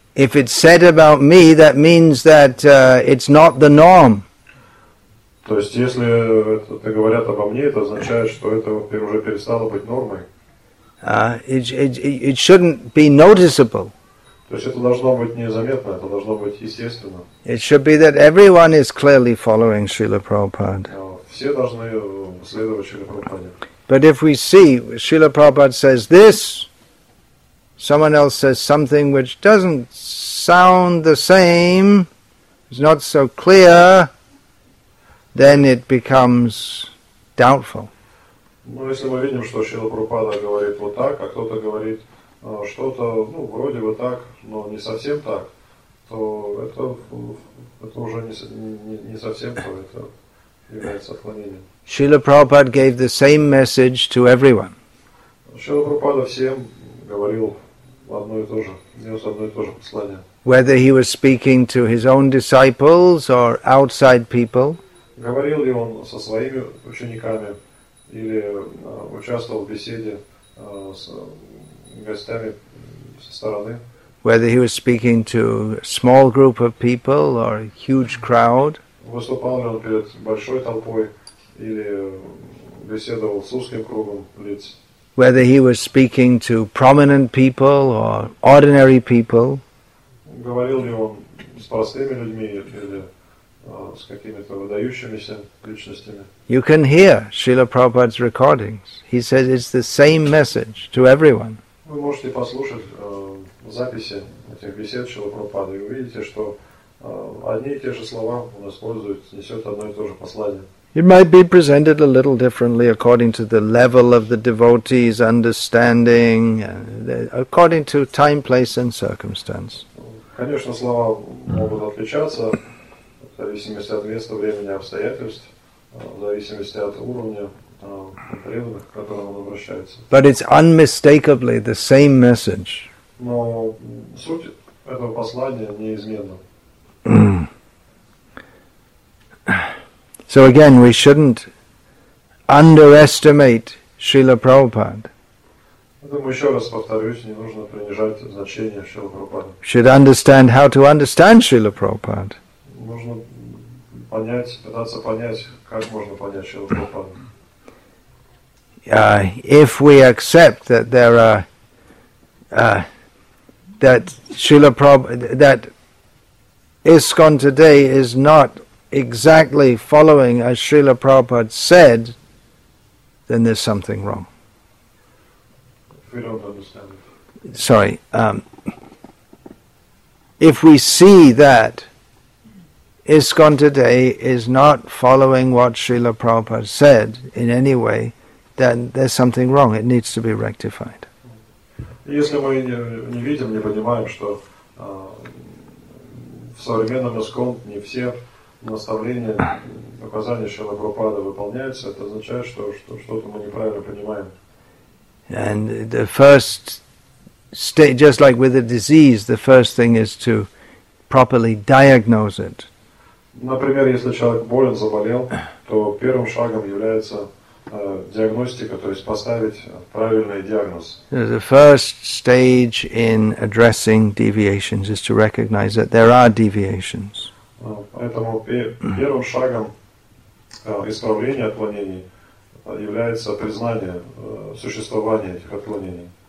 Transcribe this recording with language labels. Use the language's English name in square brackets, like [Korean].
[English] If it's said about me, that means that it's not the norm. [Russian] То есть если это говорят обо мне, это означает, что это уже перестало быть нормой. [English] It shouldn't be noticeable. [Russian] То есть это должно быть незаметно, это должно быть естественно. [English] It should be that everyone is clearly following Srila Prabhupada. [Russian] Все должны следовать Шрила Прабхупаде. [English] But if we see Srila Prabhupada says this, someone else says something which doesn't sound the same, is not so clear, then it becomes doubtful. [Russian] Ну, если мы видим, что Шрила Прабхупада говорит вот так, а кто-то говорит что-то, ну, вроде бы так, но не совсем так, то это уже не совсем то, это является отклонением. [English] Srila Prabhupada gave the same message to everyone. [Russian] Srila Prabhupada всем говорил одно и то же, нес одно и то же послание. [English] Whether he was speaking to his own disciples or outside people. [Russian] Говорил ли он со своими учениками или участвовал в беседе с гостями со стороны. [English] Whether he was speaking to a small group of people or a huge crowd. [Russian] Выступал ли он перед большой толпой или беседовал с узким кругом лиц. [English] Whether he was speaking to prominent people or ordinary people. [Russian] Говорил ли он с простыми людьми или с какими-то выдающимися личностями. [English] You can hear Srila Prabhupada's recordings. He says it's the same message to everyone. [Russian] Вы можете послушать записи этих бесед Шрилы Прабхупады и увидите, что одни и те же слова он использует, несет одно и то же послание. [English] It might be presented a little differently according to the level of the devotee's understanding, according to time, place, and circumstance. [Russian] Конечно, слова могут отличаться в зависимости от места, времени, обстоятельств, в зависимости от уровня преданных, к которым он обращается. [English] But it's unmistakably the same message. [Russian] Но суть этого послания неизменна. [English] So again, we shouldn't underestimate Srila Prabhupada. [Russian] Мы еще раз повторюсь, не нужно принижать значение Шрилы Прабхупады. [English] Should understand how to understand Srila Prabhupada. [Russian] Нужно понять, пытаться понять, как можно понять Шрилу Прабхупаду. [English] If we accept that there are that Srila Prabhupada, that ISKCON today is not exactly following as Srila Prabhupada said, then there's something wrong. If we don't understand it. Sorry. If we see that ISKCON today is not following what Srila Prabhupada said in any way, then there's something wrong. It needs to be rectified. [Russian] Если мы не видим, не понимаем, что в современном ISKCON не все наставления, указания Шрилы Прабхупады выполняются, это означает, что что-то мы неправильно понимаем. [English] And the first stage, just like with a disease, the first thing is to properly diagnose it. [Russian] Например, если человек болен, заболел, то первым шагом является диагностика, то есть поставить правильный диагноз. [English] The first stage in addressing deviations is to recognize that there are deviations. [Russian] Поэтому первым шагом исправления отклонений является признание существования этих отклонений.